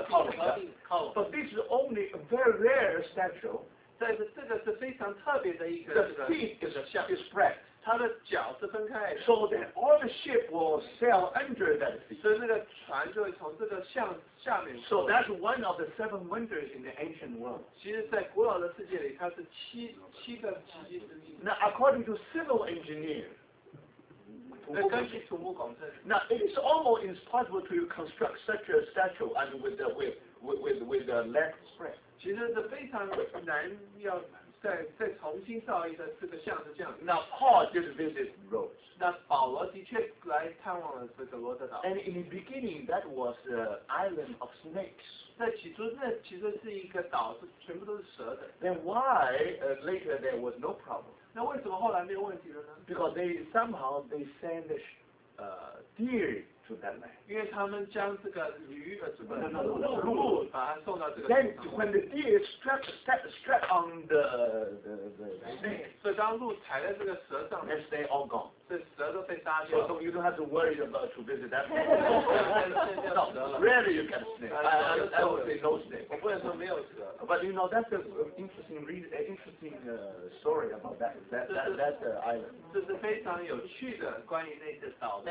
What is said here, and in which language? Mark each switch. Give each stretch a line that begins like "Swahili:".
English: But this is only a very rare statue.
Chinese: 但是这个是非常特别的一个。
English: The feet is spread.
Chinese: 它的脚是分开的。
English: So that all the ship will sail under that feet.
Chinese: 所以那个船就会从这个像下面。
English: So that's one of the seven wonders in the ancient world.
Chinese: 其实在古老的世界里，它是七个奇迹之一。
English: Now according to civil engineer. Now it is almost impossible to construct such a statue and with the lead spread.
Chinese: 其实是非常难要再重新造一个这个像是这样。
English: Now Paul did visit Rhodes.
Chinese: 那保罗的确来探望了这个罗德岛。
English: And in the beginning, that was an island of snakes.
Chinese: 那起初是一个岛，是全部都是蛇的。
English: Then why, later there was no problem?
Chinese: 那为什么后来没有问题了呢？
English: Because they somehow they send the deer.
Chinese: 因为他们将这个驴鹿把它送到这个地方。
English: Then when the deer struck on the snake,
Chinese: 所以当鹿踩在这个蛇上
English: ，and they all gone,
Chinese: 这蛇都被杀掉。
English: So you don't have to worry about to visit that. Rarely you get snake. I don't say no snake.
Chinese: 我不能说没有蛇。
English: But you know that's an interesting story about that island.
Chinese: 这是非常有趣的关于那个岛的。